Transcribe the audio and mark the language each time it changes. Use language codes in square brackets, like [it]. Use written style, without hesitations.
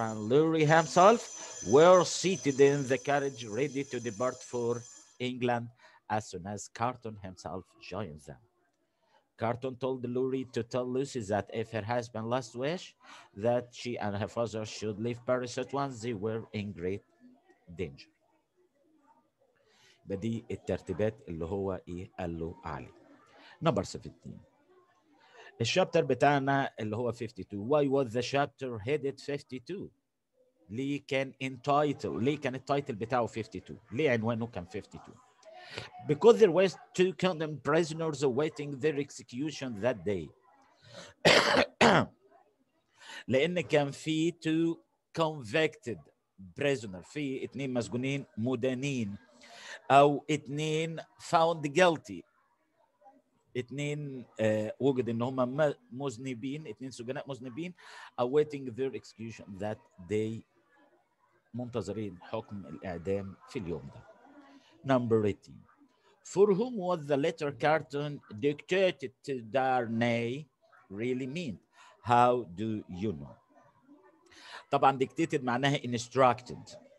[en] and Lurie himself were seated in the carriage ready to depart for England as soon as Carton himself joined them. Carton told Lurie to tell Lucy that if her husband last wish that she and her father should leave Paris at once, they were in great danger. [ar] بدي الترتيبات اللي هو إيه قال له علي. [en] Number 17. [ar] الشابتر بتاعنا اللي هو 52. [en] Why was the chapter headed 52? [ar] ليه كان [en] entitled, [ar] ليه كان التايتل بتاعه 52؟ ليه عنوانه كان 52؟ [en] Because there were 2 condemned prisoners awaiting their execution that day. [ar] لأن كان في 2 [en] convicted prisoners. [ar] في 2 مسجونين مدانين. أو 2 [en] found guilty. [ar] 2 وجد إن هما مذنبين. 2 سجناء مذنبين. [en] Awaiting their execution that day. [ar] منتظرين حكم الإعدام في اليوم ده. [en] Number 18. For whom was the letter Carton dictated to Darnay really mean? How do you know? [ar] طبعا [en] dictated [ar] معناها [en] instructed.